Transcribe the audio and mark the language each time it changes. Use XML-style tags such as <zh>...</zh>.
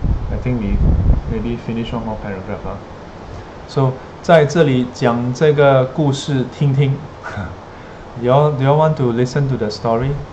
<en>I think we maybe finish one more paragraph.</en> <zh>So, 在这里讲这个故事听听。</zh> <en>Do you want to listen to the story?</en>